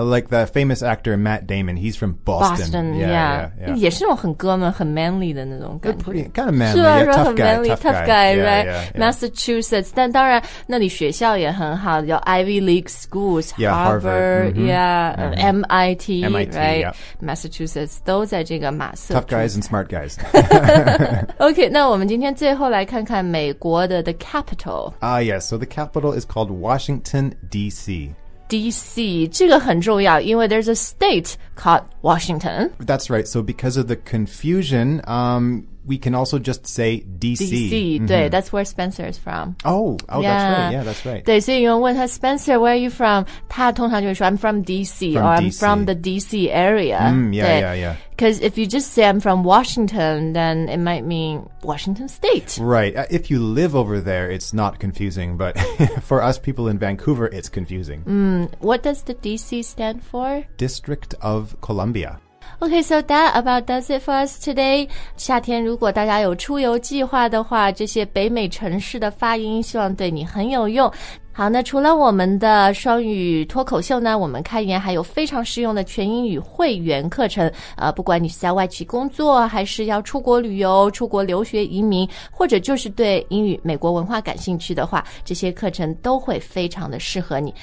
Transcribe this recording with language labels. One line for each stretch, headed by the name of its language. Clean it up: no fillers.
English: Like the famous actor Matt Damon, he's from Boston. Boston, yeah. Yeah, yeah, yeah.
Chinese: 也是那种很哥们、很 manly 的那种感觉。
English: Kind of manly, yeah, tough guy, manly, tough guy, tough guy, yeah, right? Yeah, yeah.
Chinese: Massachusetts, 但当然那里学校也很好，叫 Ivy League schools,
English: yeah, Harvard, mm-hmm, yeah, mm-hmm. MIT, MIT, right? Yeah.
Chinese: Massachusetts 都在这个马瑟。
English: Tough guys and smart guys.
Chinese: OK, 那我们今天最后来看看美国的
English: the capital. Ah, yes, so the capital is called Washington, D.C. D.C.
Chinese: 这个很重要因为
English: there's a state called Washington. That's right. So because of the confusion, we can also just say D.C. D.C.、Mm-hmm. 对 that's where Spencer is from. Oh, oh、yeah. that's right. Yeah, that's right.
Chinese: 对所以有人问他 Spencer,
English: where are you from?
Chinese: 他通常就会说
English: I'm from D.C. From or DC. I'm from the D.C. area.、 Mm, yeah, yeah, yeah, yeah. Because if you just say I'm from Washington, then it might mean Washington State. Right. If you live over there, it's not confusing. But for us people in Vancouver, it's confusing.、 Mm, what does the D.C. stand for? District of Columbia. Okay, so that about does it for us today.
Chinese: 夏天如果大家有出游计划的话，这些北美城市的发音希望对你很有用。好，那除了我们的双语脱口秀呢，我们开言还有非常实用的全英语会员课程。不管你是在外企工作，还是要出国旅游、出国留学、移民，或者就是对英语美国文化感兴趣的话，这些课程都会非常的适合你。